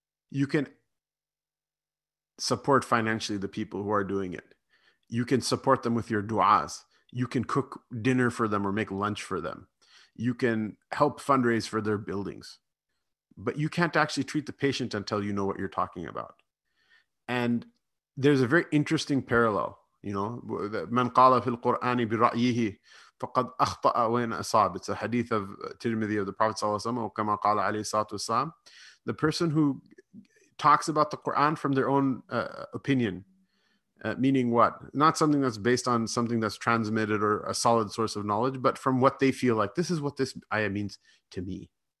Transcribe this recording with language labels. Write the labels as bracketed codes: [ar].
[en] You can support financially the people who are doing it. You can support them with your du'as. You can cook dinner for them or make lunch for them. You can help fundraise for their buildings. But you can't actually treat the patient until you know what you're talking about. And there's a very interesting parallel. You know, [ar] من قال في القرآن برأيه فقد أخطأ وين أصاب. [en] It's a hadith of Tirmidhi of the Prophet ﷺ, [ar] وكما قال عليه الصلاة والسلام. [en] The person who talks about the Quran from their own opinion. Meaning what? Not something that's based on something that's transmitted or a solid source of knowledge, but from what they feel like. This is what this ayah means to me.